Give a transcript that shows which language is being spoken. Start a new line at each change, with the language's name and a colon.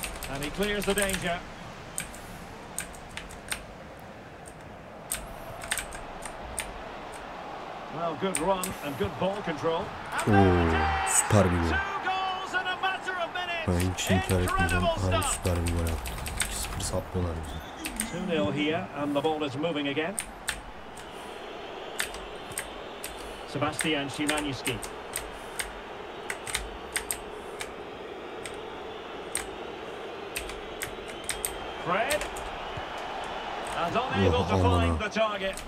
English: And he clears the danger. Well, good run and good ball control.
Turkish: Ooh, süper bir gol.
English: Two goals in a matter of minutes.
Turkish: Ben hiç inkar etmeyeceğim. Hayır, süper bir gol yaptı. 2-0 saplıyorlar bizi.
English: 2-0 here and the ball is moving again. Sebastian Szymanski. Fred. And unable to find the target.